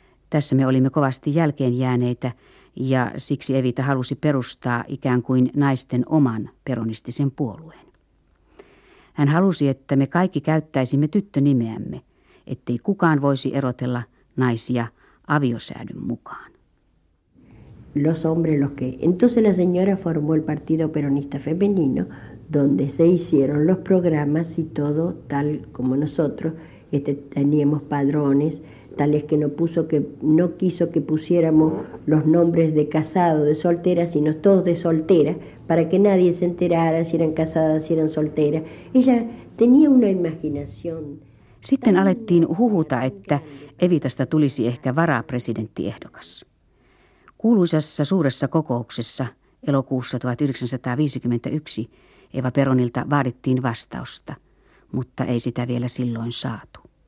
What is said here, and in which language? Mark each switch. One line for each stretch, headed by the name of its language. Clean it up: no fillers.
Finnish: Tässä me olimme kovasti jälkeen jääneitä ja siksi Evita halusi perustaa ikään kuin naisten oman peronistisen puolueen. Hän halusi, että me kaikki käyttäisimme tyttönimeämme, ettei kukaan voisi erotella naisia aviosäädyn mukaan.
Spanish: Los hombres los que entonces la señora formó el Partido Peronista Femenino, donde se hicieron los programas y todo tal como nosotros, teníamos padrones, tales que no quiso que pusiéramos los nombres de casado, de soltera, sino todos de soltera. Para que nadie se enterara si eran casadas, si eran solteras. Ella tenía una imaginación.
Finnish: Sitten alettiin huhuta, että Evitasta tulisi ehkä varapresidenttiehdokas. Kuuluisassa suuressa kokouksessa elokuussa 1951 Eva Peronilta vaadittiin vastausta, mutta ei sitä vielä silloin saatu.